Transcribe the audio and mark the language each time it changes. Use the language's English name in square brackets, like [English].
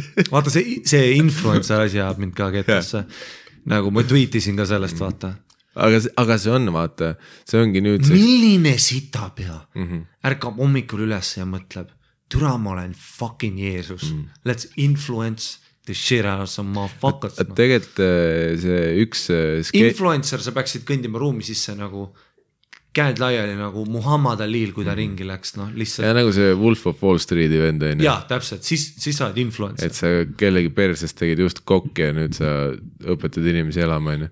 [Estonian] Vaata, see influencer asja jääb mind ka ketesse. Nagu ma tweetisin ka sellest vaata. Aga see on, vaata, see ongi nüüd... See... Milline sita pea ärkab hommikul üles ja mõtleb, türa ma olen fucking Jeesus. [English] Let's influence the shit out of some motherfuckers. [Estonian] Tegelikult see üks... Influencer, sa peaksid kõndima ruumi sisse nagu käed laiali nagu Muhammad Aliil, kui ta ringi läks. No, lihtsalt... Ja nagu see Wolf of Wall Streeti vend. Ja, täpselt, siis sa oled influencer. Et sa kellegi persest tegid just kokki ja nüüd sa õpetad inimesi elama.